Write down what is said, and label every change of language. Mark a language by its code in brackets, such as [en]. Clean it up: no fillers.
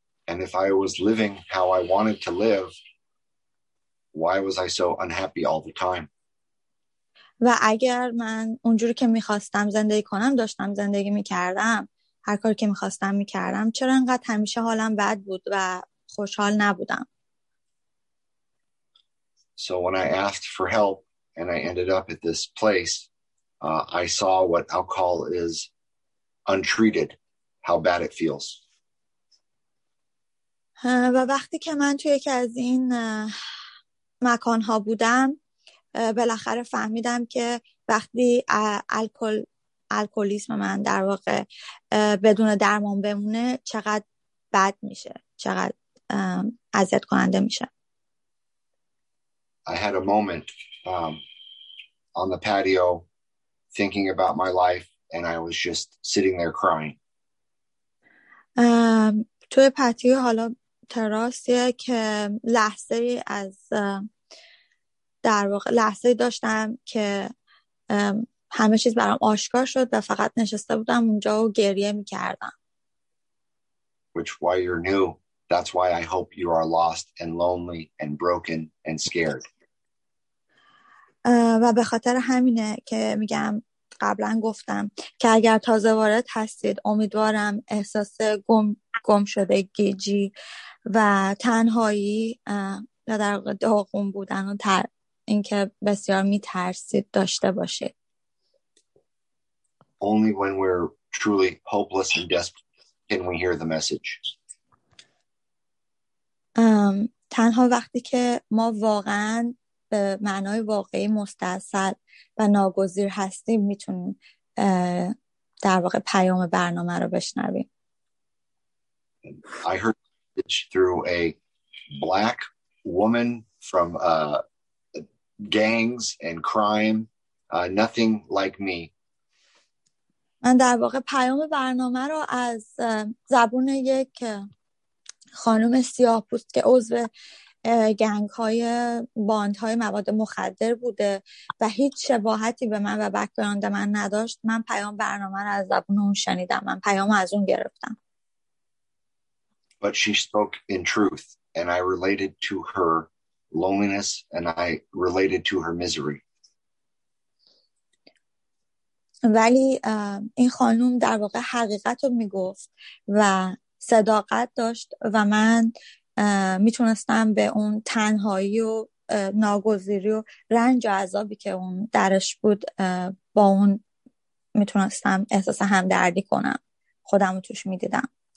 [en] And if I was living how I wanted to live, why was I so unhappy all the time? [fa] و اگر من اونجوری که می خواستم زندگی کنم داشتم زندگی می کردم هر کاری که می خواستم می کردم چرا انقدر همیشه حالم بد بود و خوشحال نبودم؟ [en] So when I asked for help and I ended up at this place, I saw what alcohol is untreated, how bad it feels. [fa] و وقتی که من توی یکی از این مکان‌ها بودم، بالاخره فهمیدم که وقتی الکلیسم من در واقع بدون درمان بمونه چقدر بد میشه، چقدر اذیت کننده میشه. [en] I had a moment on the patio thinking about my life and I was just sitting there crying. [fa] تو پاتیو حالا تراسیه که لحظه ای از در واقع لحظه ای داشتم که همه چیز برام آشکار شد و فقط نشسته بودم اونجا و گریه میکردم. [en] Which why you're new. That's why I hope you are lost and lonely and broken and scared. [fa] و به خاطر همینه که میگم قبلا گفتم که اگر تازه وارد هستید امیدوارم احساس گم شده گیجی و تنهایی و در واقع داغون بودن و اینکه بسیار میترسید داشته باشید. [en] Only when we're truly hopeless and desperate can we hear the message. [fa] تنها وقتی که ما واقعا به معنای واقعی مستعصد و ناگزیر هستیم میتونیم در واقع پیام برنامه رو بشنویم. [en] I heard it through a black woman from gangs and crime, nothing like me. [fa] من در واقع پیام برنامه رو از زبون یک خانم سیاه پوست که عضو گنگ های باند های مواد مخدر بوده و هیچ شباهتی به من و بک‌گراند من نداشت من پیام برنامه رو از زبون اون شنیدم من پیام از اون گرفتم. [en] But she spoke in truth and I related to her loneliness and I related to her misery. [fa] ولی این خانم در واقع حقیقت رو میگفت و صداقت داشت و من میتونستم به اون تنهایی و ناگزیری و رنج و عذابی که اون درش بود با اون میتونستم احساس همدردی کنم، خودم رو توش میدیدم.